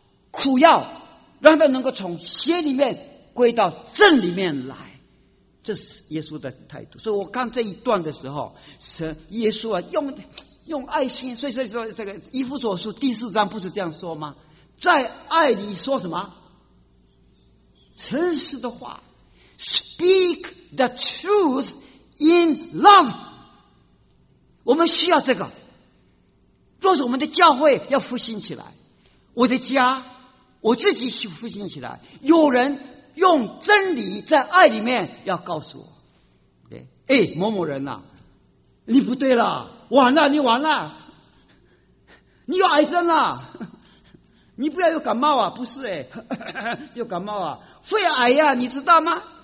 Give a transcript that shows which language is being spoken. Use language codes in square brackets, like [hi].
[zh] 苦药，让他能够从邪里面归到正里面来，这是耶稣的态度。所以我看这一段的时候，神耶稣啊，用爱心，所以说这个以弗所书第四章不是这样说吗？在爱里说什么？诚实的话 ， [en] speak the truth in love。 [zh] 我们需要这个。若是我们的教会要复兴起来，我的家，我自己复兴起来，有人。用真理在爱里面要告诉我，哎，某某人啊，你不对了，完了，你完了，你有癌症了，你不要有感冒啊，不是哎，有感冒啊，肺癌呀、啊，你知道吗？